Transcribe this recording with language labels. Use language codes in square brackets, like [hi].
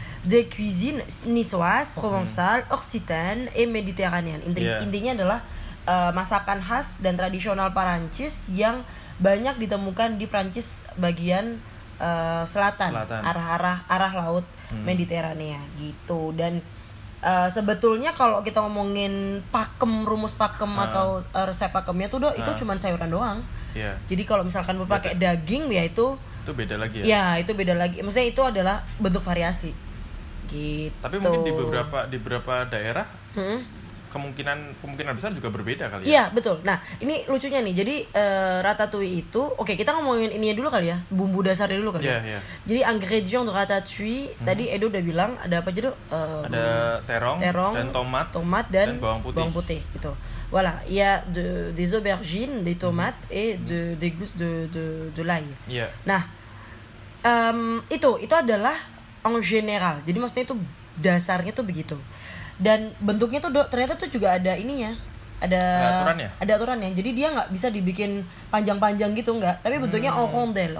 [fr] de cuisine niçoise, provençale, occitane et méditerranéenne. [id] Intinya adalah masakan khas dan tradisional Perancis yang banyak ditemukan di Perancis bagian selatan. arah laut Mediterania gitu. Dan sebetulnya kalau kita ngomongin pakem, rumus pakem atau resep pakemnya tuh itu cuma sayuran doang. Jadi kalau misalkan berpakai daging ya itu beda lagi ya. Ya, itu beda lagi. Maksudnya itu adalah bentuk variasi. Gitu. Tapi mungkin di beberapa daerah kemungkinan besar juga berbeda kali ya. Iya, betul. Nah, ini lucunya nih. Jadi ratatouille itu, oke, kita ngomongin ininya dulu kali ya. Bumbu dasarnya dulu kali. Jadi ingredient untuk ratatouille, tadi Edo udah bilang ada apa aja tuh? Ada terong dan tomat dan bawang putih gitu. [fr] Voilà, il y a des aubergines, des tomates et des gousses de l'ail. [id] Nah, itu adalah [fr] en général. [id] Jadi maksudnya itu dasarnya tuh begitu. Dan bentuknya tuh ternyata tuh juga ada ininya. Ada aturannya. Jadi dia enggak bisa dibikin panjang-panjang gitu enggak, tapi bentuknya rondel.